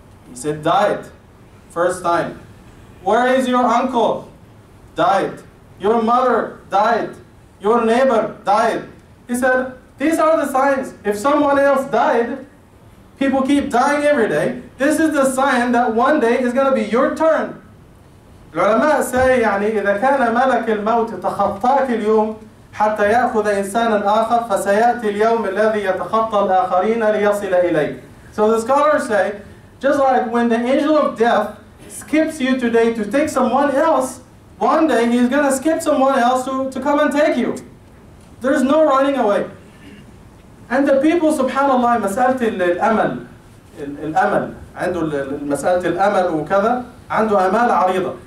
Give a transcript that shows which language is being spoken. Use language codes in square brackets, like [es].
[en] He said, "Died, first time." "Where is your uncle?" "Died." "Your mother?" "Died." "Your neighbor?" "Died." He said, "These are the signs. If someone else died, people keep dying every day, this is the sign that one day is going to be your turn." [ar] العلماء say, يعني إذا كان ملك الموت تخطاك اليوم حتى يأخذ إنسانا آخر فسيأتي اليوم الذي يتخطى الآخرين ليصل إليه. [en] So the scholars say, just like when the angel of death skips you today to take someone else, one day he's going to skip someone else to come and take you. There's no running away. And the people, [ar] subhanAllah, مسألة الأمل, الأمل عنده المسألة الأمل وكذا عنده أمال عريضة.